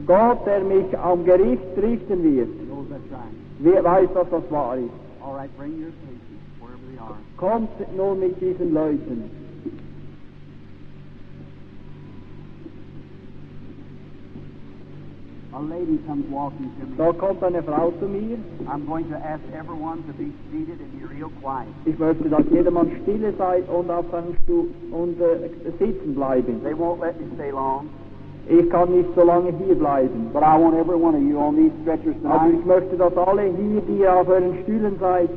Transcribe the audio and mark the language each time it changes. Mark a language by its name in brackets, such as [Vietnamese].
[German] Gott, der mich am Gericht richten wird, [English] right. [German] Weiß, dass das wahr ist. [English] All right, bring your patients, wherever they are. [German] Kommt nur mit diesen Leuten. [English] A lady comes walking to me. [German] Da kommt eine Frau zu mir. [English] I'm going to ask everyone to be seated and be real quiet. [German] Ich möchte, dass jedermann stille sei und auf seinem Stuhl und sitzen bleiben. [English] They won't let me stay long. [German] Ich kann nicht so lange hier bleiben. [English] But I want every one of you on these stretchers tonight. [German] Aber ich möchte, dass alle hier, die auf euren Stühlen seid,